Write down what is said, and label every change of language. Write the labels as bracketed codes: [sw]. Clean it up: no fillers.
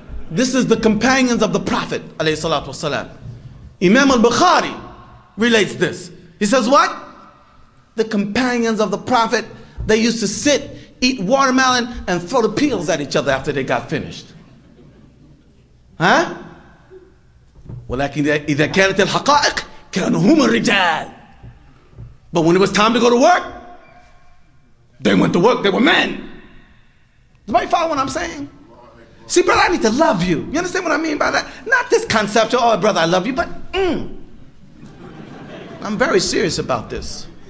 [en] This is the companions of the Prophet, alayhi salatu wasalam. Imam al-Bukhari relates this. He says what? The companions of the Prophet, they used to sit eat watermelon, and throw the peels at each other after they got finished. Huh? [ar] ولكن إذا كانت الحقائق كانوا هم الرجال. [en] But when it was time to go to work, they went to work, they were men. Do you follow what I'm saying? See, brother, I need to love you. You understand what I mean by that? Not this concept of, oh, brother, I love you, but I'm very serious about this.